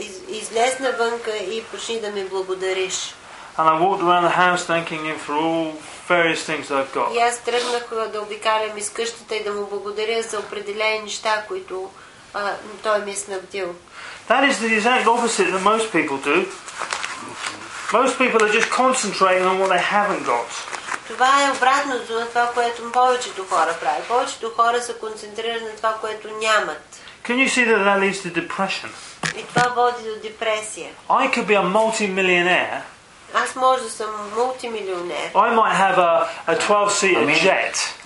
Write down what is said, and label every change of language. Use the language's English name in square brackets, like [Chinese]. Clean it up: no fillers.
[Bulgarian] Излез навънка и почни да ми благодариш. [English] And I walked around the house thanking him for all various things that I've got. [Bulgarian] И аз тръгнах да обикалям из къщата и да му благодаря за определени неща, които той ми е снабдил. [English] That is the exact opposite that most people do. Most people are just concentrating on what they haven't got. [Bulgarian] Това е обратното на това, което повечето хора правят. Повечето хора са концентрирани на това, което нямат. [English] Can you see that leads to depression? [Bulgarian] И това води до депресия. [English] I could be a multi-millionaire. [Bulgarian] Аз може да съм мултимилионер. [English] I might have a 12-seater jet.